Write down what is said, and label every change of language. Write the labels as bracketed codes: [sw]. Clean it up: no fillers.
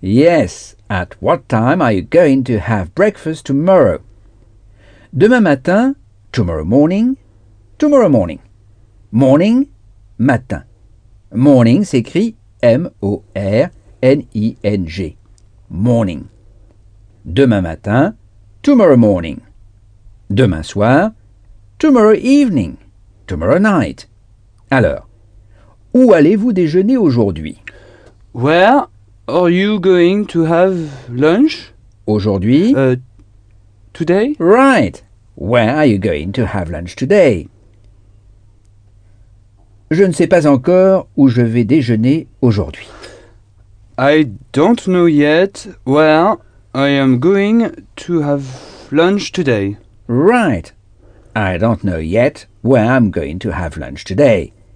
[en] Yes, at what time are you going to have breakfast tomorrow ?»« [fr] Demain matin, [en] tomorrow morning ?»« Tomorrow morning ?»« Morning ?» [fr] Matin. Morning s'écrit M-O-R-N-I-N-G. [en] Morning. [fr] Demain matin, [en] tomorrow morning. [fr] Demain soir, [en] tomorrow evening. Tomorrow night. [fr] Alors, où allez-vous déjeuner aujourd'hui? [en] Where are you going to have lunch? [fr] Aujourd'hui? [en] Today? Right. Where are you going to have lunch today? [fr] Je ne sais pas encore où je vais déjeuner aujourd'hui. [en] I don't know yet where I am going to have lunch today. Right. I don't know yet where I'm going to have lunch today.